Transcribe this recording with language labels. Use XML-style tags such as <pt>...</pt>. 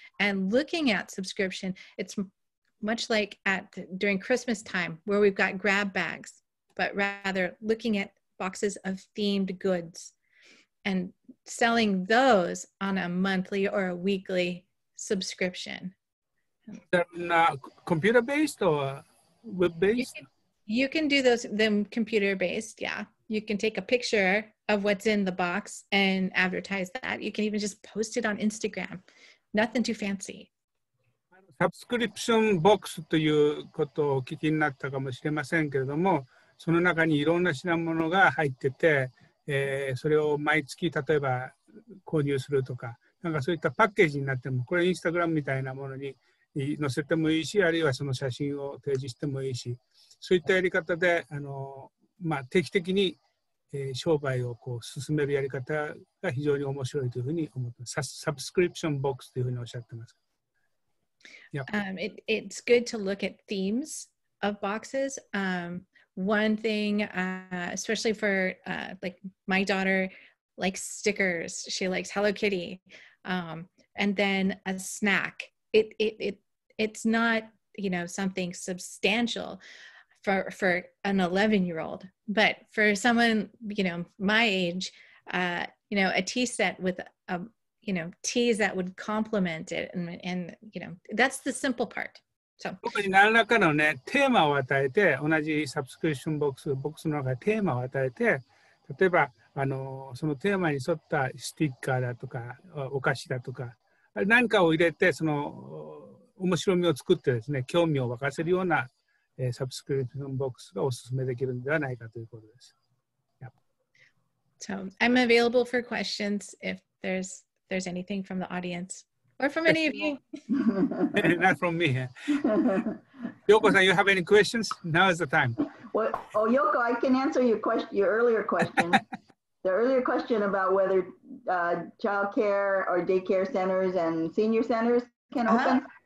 <en>And looking at subscription, it's much like during Christmas time where we've got grab bags, but rather looking at boxes of themed goods and selling those on a monthly or a weekly subscription. Computer-based or web-based? You can do them computer-based, yeah. You can take a picture of what's in the box and advertise that. You can even just post it on Instagram. Nothing too fancy.</en> <ja>Subscription box ということをお聞きになったかもしれませんけれども、その中にいろんな品物が入ってて、それを毎月例えば購入するとか、なんかそういったパッケージになっても、これインスタグラムみたいなものに載せてもいいし、あるいはその写真を提示してもいいし、そういったやり方で、まあ、定期的に、商売をこう進めるやり方が非常に面白いというふうに思ってます。サブスクリプションボックスというふうにおっしゃってます。</ja> <en>It's good to look at themes of boxes. One thing, especially for like my daughter likes stickers. She likes Hello Kitty. And then a snack. It's not, you know, something substantial for an 11-year-old, but for someone, you know, my age, you know, a tea set with a you know, teas that would complement it and you know, that's the simple part. So</en> <ja>特に何らかのね、テーマを与えて、同じサブスクリプションボックスの中でテーマを与えて、例えばあのそのテーマに沿ったスティッカーだとかお菓子だとか何かを入れて、その面白みを作ってですね、興味を沸かせるようなサブスクリプションボックスがおすすめできるのではないかということです。</ja> <en>Yep. So I'm available for questions if there's anything from the audience or from any of you. Not from me. Yoko-san, you have any questions? Now is the time. Well, oh, Yoko, I can answer your earlier question. The earlier question about whether childcare or daycare centers and senior centers can uh-huh. open.</en>